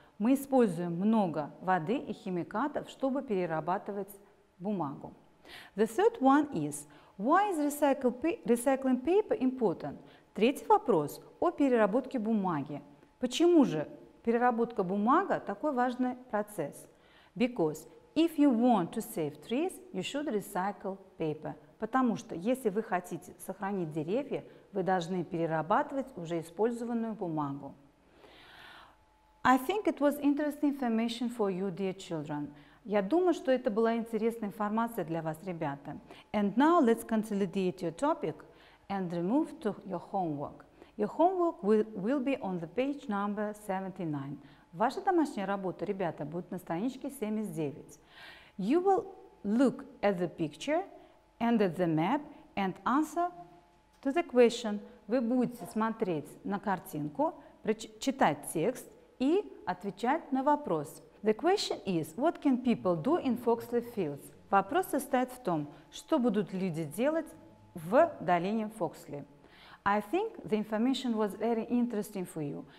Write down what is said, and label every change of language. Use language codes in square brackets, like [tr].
[ru] Мы используем много воды и химикатов, чтобы перерабатывать бумагу. [en] The third one is, why is recycling paper important? [ru] Третий вопрос о переработке бумаги. Почему же переработка бумаги такой важный процесс? [en] Because if you want to save trees, you should recycle paper. [ru] Потому что если вы хотите сохранить деревья, вы должны перерабатывать уже использованную бумагу. [en] I think it was interesting information for you, dear children. [ru] Я думаю, что это была интересная информация для вас, ребята. [en] And now let's consolidate your topic and remove to your homework. Your homework will be on the page number 79. [ru] Ваша домашняя работа, ребята, будет на страничке 79. [en] You will look at the picture and at the map and answer to the question. [ru] Вы будете смотреть на картинку, читать текст и отвечать на вопрос. [en] The question is, what can people do in Foxley Fields? [ru] Вопрос состоит в том, что будут люди делать в долине Фоксли. [en] I think the information was very interesting for you.